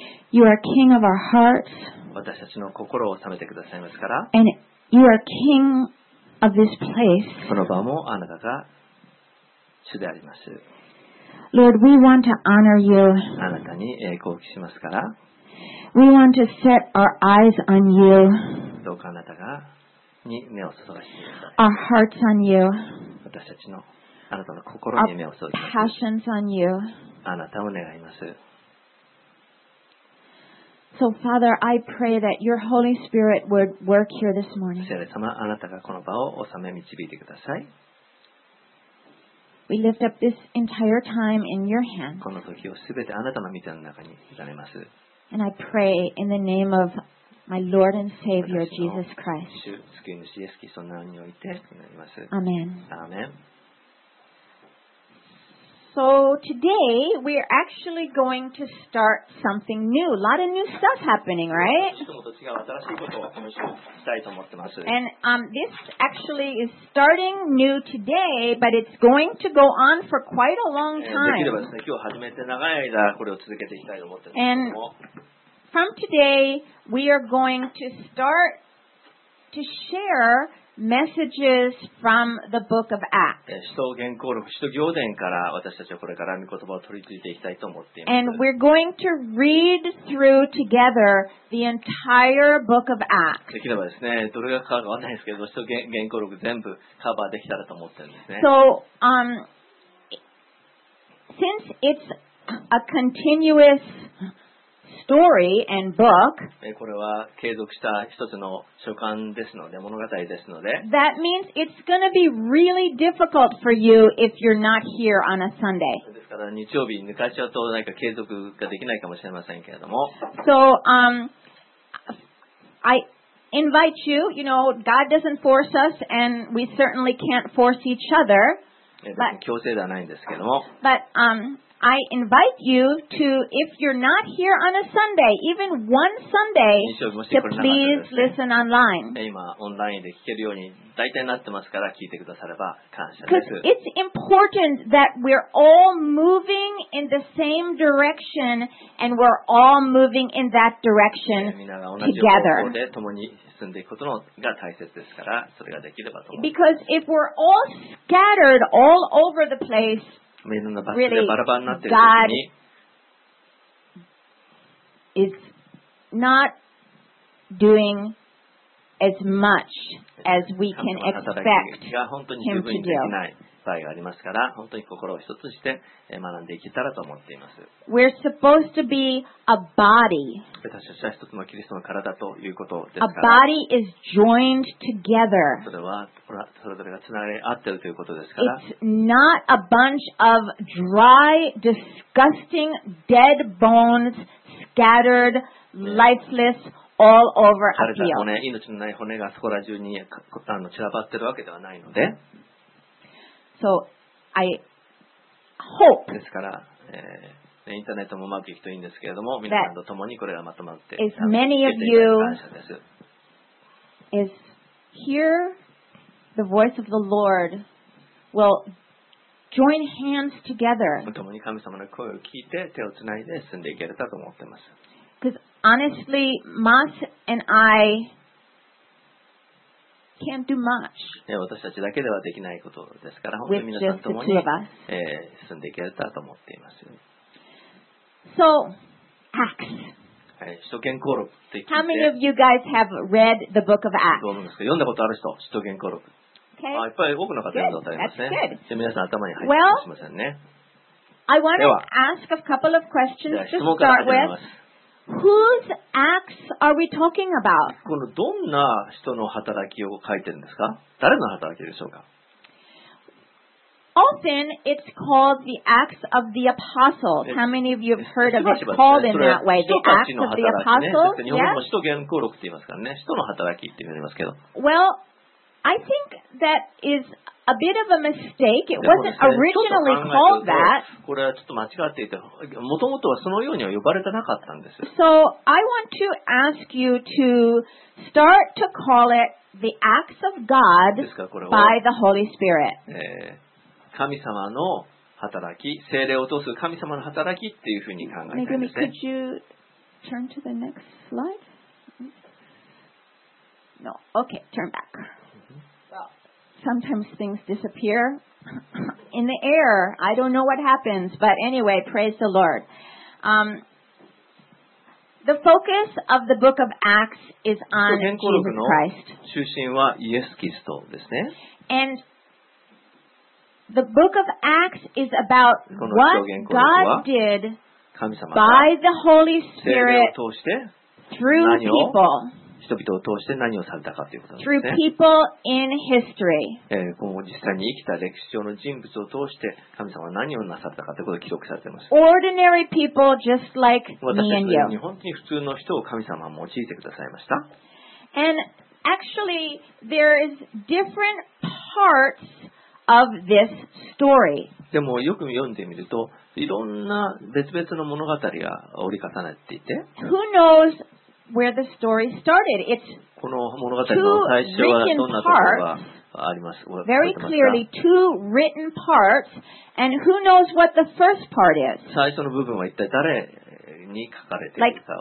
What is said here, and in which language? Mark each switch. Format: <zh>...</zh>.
<en>You are King of our hearts.</en> <ja>私たちの心を治めてくださいますから。</ja> <en>And you are King of this place.</en> <ja>この場もあなたが主であります。</ja> <en>Lord, we want to honor you.</en> <ja>あなたに栄光を期しますから。</ja> <en>We want to set our eyes on you.</en> <ja>どうかあなたがに目を注がしてください。</ja> <en>Our hearts on you.</en> <ja>私たちのあなたの心に目を注ぎます。</ja> <en>Passions on you.</en> <ja>あなたを願います。</ja> <en>So Father, I pray that your Holy Spirit would work here this morning.</en> <ja>聖霊様、あなたがこの場を治め導いてください。</ja> <en>We lift up this entire time in your hands.</en> <ja>この時をすべてあなたの御手の中に委ねます。</ja> <en>And I pray in the name of my Lord and Savior Jesus Christ.</en> <ja>主救い主イエスキリストの名において祈ります。</ja> <en>Amen. Amen. So today we are actually going to start something new. A lot of new stuff happening, right? And this actually is starting new today, but it's going to go on for quite a long time. And from today we are going to start to share. Messages from the Book of Acts.</en> <ja>使徒言行録、使徒行伝から私たちはこれから御言葉を取り継いでいきたいと思っています。</ja> <en>And we're going to read through together the entire Book of Acts.</en> <ja>できればですね、どれがかかるかわからないですけど、使徒言行録全部カバーできたらと思ってるんですね。</ja> <en>So, since it's a continuous story and book.</en> <ja>これは継続した一つの書簡ですので、物語ですので。</ja> <en>That means it's going to be really difficult for you if you're not here on a Sunday.</en> <ja>ですから日曜日抜かしちゃうと何か継続ができないかもしれませんけれども。</ja> <en>So, I invite you. You know, God doesn't force us, and we certainly can't force each other.</en> <ja>強制ではないんですけれども。</ja> <en>But, I invite you to, if you're not here on a Sunday, even one Sunday, to please listen online.</en> <ja>今オンラインで聞けるように大体なってますから聞いてくだされば感謝です。</ja> <en>Because it's important that we're all moving in the same direction and we're all moving in that direction together.</en> <ja>皆が同じ方向で共に進んでいくことが大切ですから、それができればと思います。</ja> <en>Because if we're all scattered all over the place,</en> <ja>みんなバスでバラバラになっているときに、</ja> <en>really, God is not doing as much as we can expect him to do.</en> <ja>本当に十分にできない場合がありますから、本当に心を一つして学んでいけたらと思っています。</ja> <en>We're supposed to be a body.</en> <ja>私たちは一つのキリストの体ということですから、</ja> <en>a body is joined together.</en> <ja>それはそれぞれがつながり合っているということですから、</ja> <en>it's not a bunch of dry, disgusting, dead bones scattered, lifeless. All over a field.</en> <ja>命のない骨がそこら中に散らばってるわけではないので。</ja> <en>So, I hope.</en> <ja>ですから、インターネットもうまくいくといいんですけれども、皆さんとともにこれがまとまって、</ja> <en>as many of you is hear the voice of the Lord, will join hands together.</en> <ja>ともに神様の声を聞いて手をつないで進んでいけるかと思ってます。</ja> <en>Because honestly, Mas and I can't do much.</en> <ja>私たちだけではできないことですから、本当に皆さんともに、進んでいけたらと思っています。</ja> <en>So, Acts.</en> <ja>使徒行伝って</ja> <en>How many of you guys have read the book of Acts?</en> <ja>どうなんですか。読んだことある人、使徒行伝。</ja> <en>Okay.</en> <ja>いっぱい多くの方読んだことありますね。</ja> <en>That's good.</en> <ja>じゃあ皆さん頭に入ってほしいませんね。</ja> <en>I want to ask a couple of questions to start with. Whose acts are we talking about?</en> <ja>このどんな人の働きを書いてるんですか？誰の働きでしょうか？</ja> <en>Often it's called the Acts of the Apostles. How many of you have heard of it called in that way? The Acts of the Apostles? Yes.</en> <ja>日本も使徒言行録って言いますからね。使徒の働きって言いますけど。</ja> <en>Well, I think that is a bit of a mistake. It wasn't originally called that.</en> <ja>これはちょっと間違っていて、もともとはそのようには呼ばれてなかったんです。</ja> <en>So I want to ask you to start to call it the Acts of God by the Holy Spirit.</en> <ja>神様の働き、聖霊を通す神様の働きっていうふうに考えたんですね。</ja> <en>Megumi, could you turn to the next slide? No. Okay, turn back. Sometimes things disappear in the air. I don't know what happens, but anyway, praise the Lord. The focus of the book of Acts is on Jesus Christ.</en> <ja>中心はイエス・キリストですね。</ja> <en>And the book of Acts is about what God did by the Holy Spirit through people.</en> <ja>人々を通して何をされたかということですね。</ja> <en>Through people in history.</en> <ja>今後実際に生きた歴史上の人物を通して神様は何をなさったかということを記録されています。</ja> <en>Ordinary people just like me and you.</en> <ja>私たち本当に普通の人を神様は用いてくださいました。</ja> <en>And actually, there is different parts of this story.</en> <ja>でもよく読んでみると、いろんな別々の物語が折り重なっていて。</ja> <en>Who knows? Where the story started. It's</en> <ja>この物語の最初はどんなところがあります。</ja> <en>Very clearly, two written parts, and who knows what the first part is?</en> <ja>最初の部分は一体誰に書かれているか。</ja>